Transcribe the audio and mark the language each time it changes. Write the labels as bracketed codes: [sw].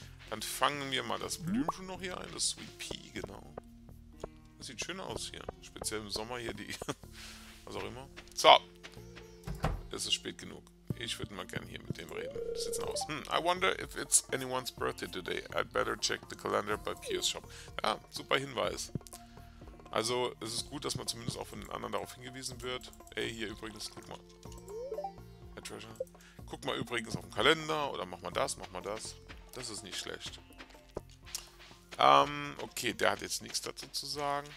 [de] Dann fangen wir mal das Blümchen noch hier ein. Das Sweet Pea, genau. Sieht schön aus hier. Speziell im Sommer hier die... Was auch immer. So. Es ist spät genug. Ich würde mal gerne hier mit dem reden. Sitzen aus. [en] I wonder if it's anyone's birthday today. I'd better check the calendar by Pierce Shop. [de] Ja, super Hinweis. Also, es ist gut, dass man zumindest auch von den anderen darauf hingewiesen wird. Ey, hier übrigens, guck mal. Herr Treasure. Guck mal übrigens auf den Kalender oder mach mal das, mach mal das. Das ist nicht schlecht. Okay, der hat jetzt nichts dazu zu sagen.